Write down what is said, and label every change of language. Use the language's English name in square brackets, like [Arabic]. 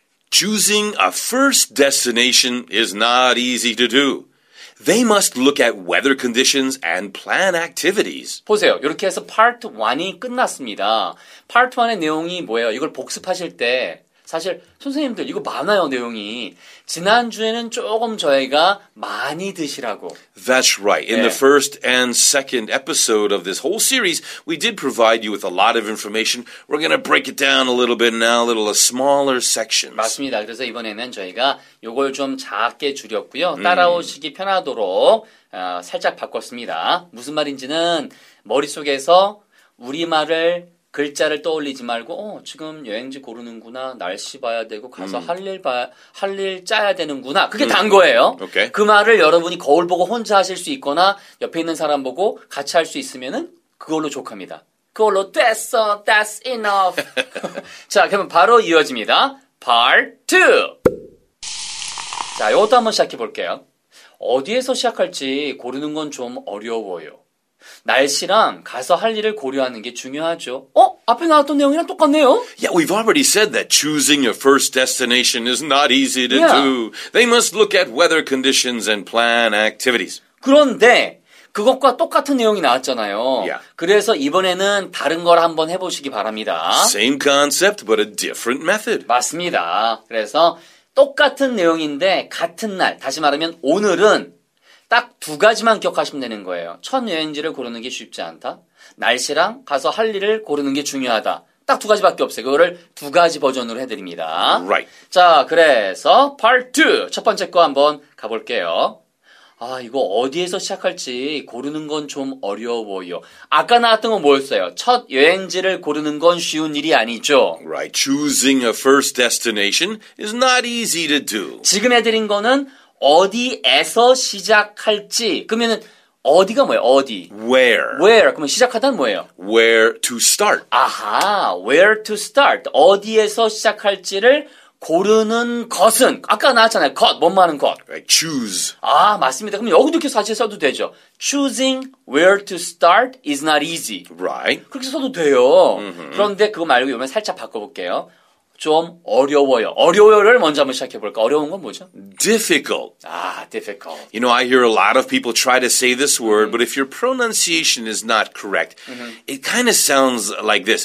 [English] Choosing a first destination is not easy to do. They must look at weather conditions and plan activities. [Korean] 보세요. 이렇게 해서 part 1이 끝났습니다. part 1의 내용이 뭐예요? 이걸 복습하실 때 사실 선생님들 이거 많아요, 내용이. 지난주에는 조금 저희가 많이 드시라고. [English] That's right. In 네. the first and second episode of this whole series, we did provide you with a lot of information. We're going to break it down a little bit now, a little a smaller sections. [Korean] 맞습니다. 그래서 이번에는 저희가 이걸 좀 작게 줄였고요. 따라오시기 편하도록 살짝 바꿨습니다. 무슨 말인지는 머릿속에서 우리말을 글자를 떠올리지 말고 지금 여행지 고르는구나 날씨 봐야 되고 가서 할 일 짜야 되는구나 그게 단 거예요. [English] Okay. [Korean] 그 말을 여러분이 거울 보고 혼자 하실 수 있거나 옆에 있는 사람 보고 같이 할 수 있으면은 그걸로 족합니다. 그걸로 됐어. [English] That's enough. [Korean] 자 그러면 바로 이어집니다. [English] Part 2. [Korean] 자 이것도 한번 시작해 볼게요. 어디에서 시작할지 고르는 건 좀 어려워요. 날씨랑 가서 할 일을 고려하는 게 중요하죠. 앞에 나왔던 내용이랑 똑같네요. [English] Yeah, we've already said that choosing your first destination is not easy to do. They must look at weather conditions and plan activities. [Korean] 그런데 그것과 똑같은 내용이 나왔잖아요. [English] Yeah. [Korean] 그래서 이번에는 다른 걸 한번 해보시기 바랍니다. [English] Same concept, but a different method. [Korean] 맞습니다. 그래서 똑같은 내용인데 같은 날, 다시 말하면 오늘은 딱 두 가지만 기억하시면 되는 거예요. 첫 여행지를 고르는 게 쉽지 않다. 날씨랑 가서 할 일을 고르는 게 중요하다. 딱 두 가지밖에 없어요. 그거를 두 가지 버전으로 해드립니다. [English] Right. [Korean] 자, 그래서 part 2. 첫 번째 거 한번 가볼게요. 아, 이거 어디에서 시작할지 고르는 건 좀 어려워요. 아까 나왔던 건 뭐였어요? 첫 여행지를 고르는 건 쉬운 일이 아니죠. [English] Right. Choosing a first destination is not easy to do. [Korean] 지금 해드린 거는 어디에서 시작할지. 그러면은 어디가 뭐예요? 어디. [English] Where. Where. [Korean] 그러면 시작하다는 뭐예요? [English] Where to start. 아하. Where to start. [Korean] 어디에서 시작할지를 고르는 것은. 아까 나왔잖아요. 것. 뭔말은 것. [English] Right. Choose. [Korean] 아, 맞습니다. 그럼 여기도 이렇게 사실 써도 되죠. [English] Choosing where to start is not easy. Right. [Korean] 그렇게 써도 돼요. Mm-hmm. 그런데 그거 말고 이번에 살짝 바꿔볼게요. 좀 어려워요. 어려워요를 먼저 한번 시작해볼까? 어려운 건 뭐죠? [English] Difficult. 아, difficult. You know, I hear a lot of people try to say this word, but if your pronunciation is not correct, it kind of sounds like this.